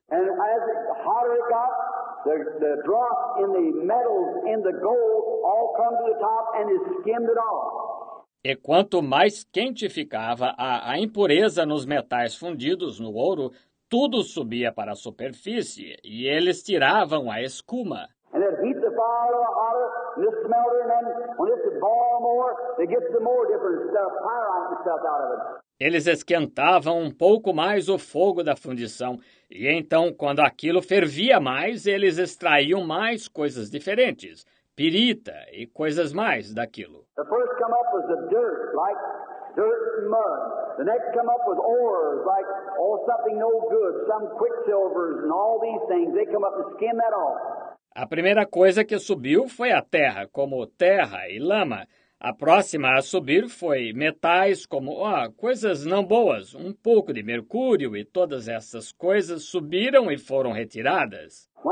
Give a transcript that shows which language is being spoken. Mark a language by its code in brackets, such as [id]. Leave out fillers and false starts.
[en] And as hotter it got, the dross in the metals in the gold all come to the top and it skimmed it off. [pt] E quanto mais quente ficava, a impureza nos metais fundidos no ouro, tudo subia para a superfície, e eles tiravam a escuma. [en] And it heats the fire hotter, and this smelter, and then when this would boil more, they get some more different stuff, pyrite and stuff out of it. [pt] Eles esquentavam um pouco mais o fogo da fundição, e então, quando aquilo fervia mais, eles extraíam mais coisas diferentes, pirita e coisas mais daquilo. [en] The first come up was the dirt, like dirt and mud. The next come up was ores, like all something no good, some quicksilvers and all these things. They come up and skim that off. [pt] A primeira coisa que subiu foi a terra, como terra e lama. A próxima a subir foi metais, como coisas não boas, um pouco de mercúrio e todas essas coisas subiram e foram retiradas.